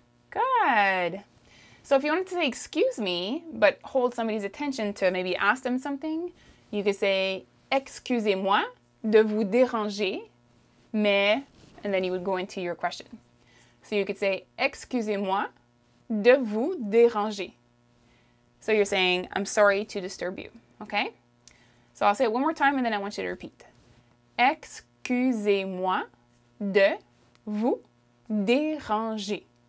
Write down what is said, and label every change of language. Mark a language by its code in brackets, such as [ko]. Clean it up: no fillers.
[en] Good. So if you wanted to say excuse me, but hold somebody's attention to maybe ask them something, you could say [fr] excusez-moi de vous déranger, mais, [en] and then you would go into your question. So you could say [fr] excusez-moi de vous déranger. [en] So you're saying I'm sorry to disturb you. Okay, so I'll say it one more time and then I want you to repeat. [fr] Excusez-moi de vous déranger.